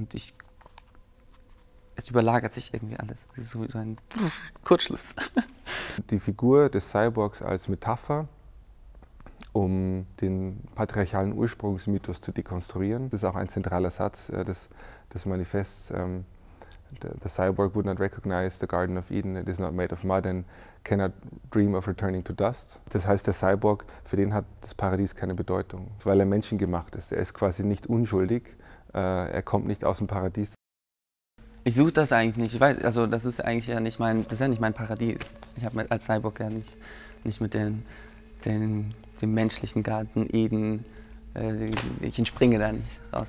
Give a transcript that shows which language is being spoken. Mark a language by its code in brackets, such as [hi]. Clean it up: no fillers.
[de] Und es überlagert sich irgendwie alles. Es ist so ein Kurzschluss. Die Figur des Cyborgs als Metapher, um den patriarchalen Ursprungsmythos zu dekonstruieren. Das ist auch ein zentraler Satz des Manifests. [en] The cyborg would not recognize the Garden of Eden, it is not made of mud and cannot dream of returning to dust. [de] Das heißt, der Cyborg, für den hat das Paradies keine Bedeutung, weil er menschengemacht ist. Er ist quasi nicht unschuldig, er kommt nicht aus dem Paradies. Ich suche das eigentlich nicht. Das ist eigentlich ja nicht mein, das ist ja nicht mein Paradies. Ich habe als Cyborg ja nicht mit dem menschlichen Garten Eden, ich entspringe da nicht raus.